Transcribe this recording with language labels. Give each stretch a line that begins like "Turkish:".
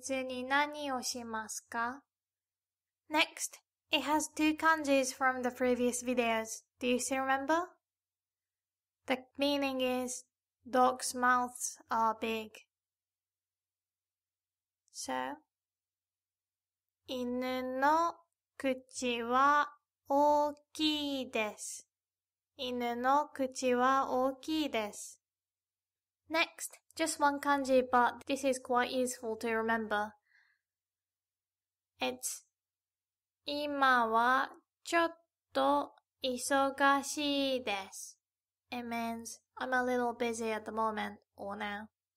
Japanese: 日本人は休日に何をしますか?
English: Next, it has two kanjis from the previous videos. Do you still remember? The meaning is, dog's mouths are big. So,
Japanese: 犬の口は大きいです。犬の口は大きいです。
English: Next, just one kanji, but this is quite useful to remember. It's
Japanese: 今はちょっと忙しいです。
English: It means, I'm a little busy at the moment, or now.